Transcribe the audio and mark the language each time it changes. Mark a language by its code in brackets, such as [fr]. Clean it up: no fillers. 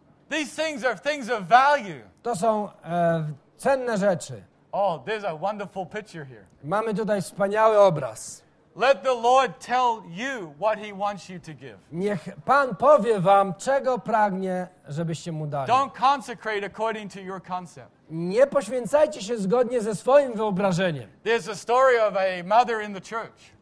[en] These things are things of value. [pl] To są cenne rzeczy. [en] Oh, there's a wonderful picture here. [pl] Mamy tutaj wspaniały obraz. [en] Let the Lord tell you what he wants you to give. [pl] Niech Pan powie wam, czego pragnie, żebyście mu dali. [en] Don't consecrate according to your concept. [pl] Nie poświęcajcie się zgodnie ze swoim wyobrażeniem. [en] There's a story of a mother in the church.